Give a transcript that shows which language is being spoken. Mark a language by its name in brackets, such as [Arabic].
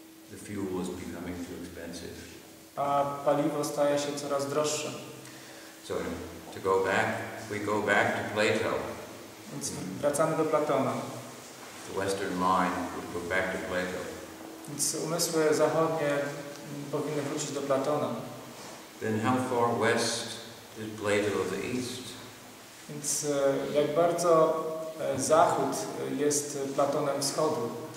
[English] The fuel is becoming too expensive. [Polish] A paliwo staje się coraz droższe. [English] So, to go back, we go back to Plato. [Polish] Więc wracamy do Platona. [English] The Western mind would go back to Plato. [Polish] Więc umysły zachodnie powinny wrócić do Platona. [English] Then how far west is Plato of the east? [Polish] Więc jak bardzo zachód jest Platonem wschodu?